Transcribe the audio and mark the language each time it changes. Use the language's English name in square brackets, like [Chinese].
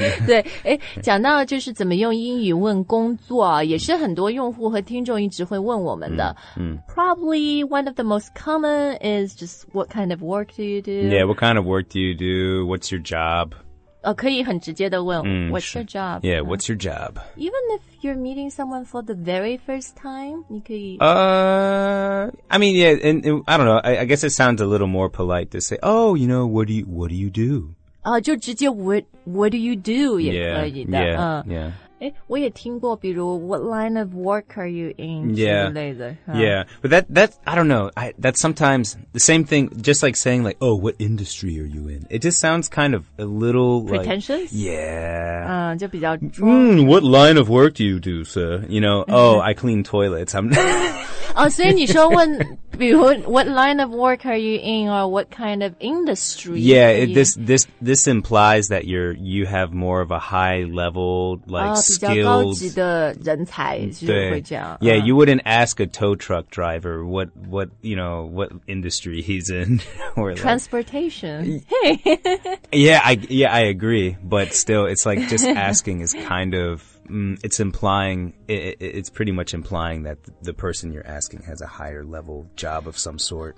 [Chinese] 对，讲到就是怎么用英语问工作，也是很多用户和听众一直会问我们的。 [English] Probably one of the most common is just what kind of work do you do? Yeah, what kind of work do you do? What's your job? [Chinese] 可以很直接的问 [English] what's your job? Yeah, what's your job? Even if you're meeting someone for the very first time, [Chinese] 你可以 [English] I mean, yeah, and I don't know, I guess it sounds a little more polite to say, oh, you know, what do you do? [Chinese] 就直接 [English] what do you do [Chinese] 也可以的 我也听过比如 [English] what line of work are you in? But that I don't know, that's sometimes the same thing, just like saying like, oh, what industry are you in? It just sounds kind of a little pretentious? Like, yeah. [Chinese] 就比较 [English] what line of work do you do, sir? You know, oh, I clean toilets. [Chinese] 所以你说问比如 [English] what line of work are you in or what kind of industry? Yeah, this implies that you have more of a high level, like skills. [Chinese] 比较高级的人才就会这样。 [English] Yeah, you wouldn't ask a tow truck driver what, you know, what industry he's in. Or transportation. Like, I agree. But still, it's like just asking is kind of... it's implying, it's pretty much implying that the person you're asking has a higher level job of some sort.